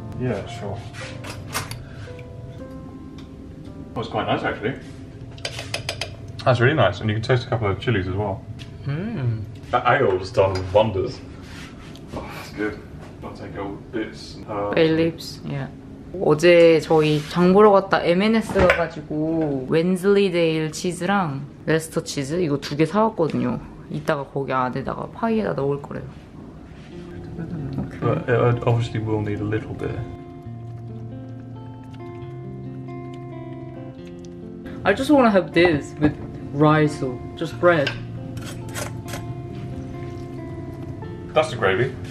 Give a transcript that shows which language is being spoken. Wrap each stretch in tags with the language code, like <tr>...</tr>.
<en>Yeah, sure. Oh, it's quite nice actually. That's really nice, and you can taste a couple of chilies as well. Mmm. That ale's done wonders. Oh, that's good. I'll take old bits and herbs. Bay leaves, yeah.</en> <ko>어제 저희 장 보러 갔다 M&S 가가지고 웬슬리데일 치즈랑 레스터 치즈 이거 두 개 사왔거든요. 이따가 거기 안에다가 파이에다 넣을 거래요.</ko> <en>But it obviously will need a little bit. I just want to have this with rice or just bread. That's the gravy.</en>